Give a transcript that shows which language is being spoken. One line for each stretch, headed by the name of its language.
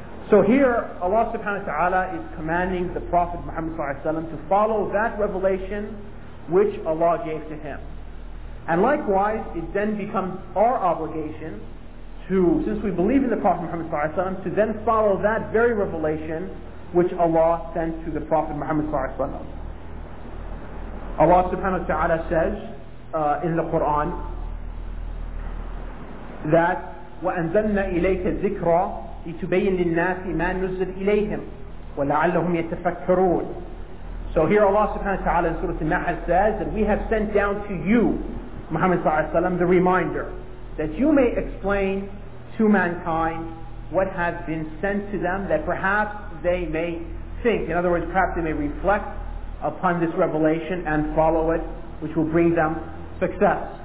English: So here, Allah subhanahu wa ta'ala is commanding the Prophet Muhammad sallallahu alayhi wa sallam to follow that revelation which Allah gave to him. And likewise, it then becomes our obligation to, since we believe in the Prophet Muhammad sallallahu alayhi wa sallam, to then follow that very revelation which Allah sent to the Prophet Muhammad sallallahu alayhi wa sallam. Allah subhanahu wa ta'ala says in the Quran that
Arabic: وَأَنزَلْنَا إِلَيْكَ الذِّكْرَى لِتُبَيِّنَ لِلنَّاسِ مَا نُزِّلَ إِلَيْهِمْ وَلَعَلَّهُمْ يَتَفَكَّرُونَ.
English: So here Allah subhanahu wa ta'ala in Surah An-Nahl says that we have sent down to you, Muhammad sallallahu alayhi wa sallam, the reminder that you may explain to mankind what has been sent to them, that perhaps they may think. In other words, perhaps they may reflect upon this revelation and follow it, which will bring them success.